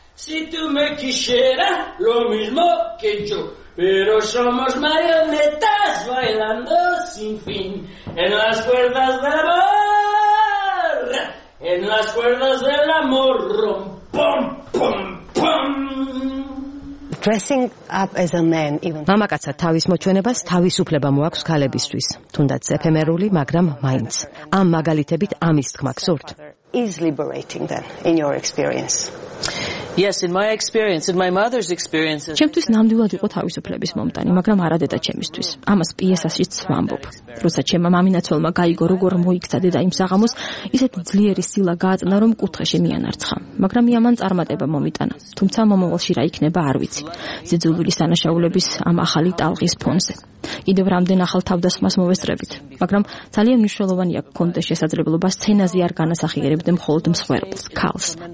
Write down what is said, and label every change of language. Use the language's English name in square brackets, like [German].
[Spanish] Si tú me quisieras, lo mismo que yo, pero somos marionetas bailando sin fin en las cuerdas del amor, en las cuerdas del amor, rom, pom, pom, pom. [English] Dressing up as a man even [Georgian] მამაკაცად თავის მოჩვენებას თავისუფლება მოაქვს ქალებისთვის, თუნდაც ეფემერული, მაგრამ მაინც. ამ მაგალითებით ამის თქმა გსურთ. [English] Is liberating then in your experience? Yes, in my experience, in my mother's experience. [Georgian] ჩემთვის ნამდვილად იყო თავისუფლების მომტანი, მაგრამ არა დედა ჩემისთვის. ამას პიესაშიც ვამბობ. როცა ჩემმა მამინაცვალმა გაიგო, როგორ მოიქცა დედა იმ საღამოს, ისეთ ძლიერი სილა გააწნა, რომ კუთხეში მიანარცხა. მაგრამ იამან წარმატება მომიტანა. თუმცა მომავალში რა იქნება, არ ვიცი. ზიძულვილი სანაშაულების ამ ახალი ტალღის ფონზე. კიდევ რამდენ ახალ თავდასხმას მოვესწრებით, მაგრამ ძალიან მნიშვნელოვანია კონტექსტის შესაძლებლობა სცენაზე არ განასახიერებდე მხოლოდ მსხვერპლს, ქალს.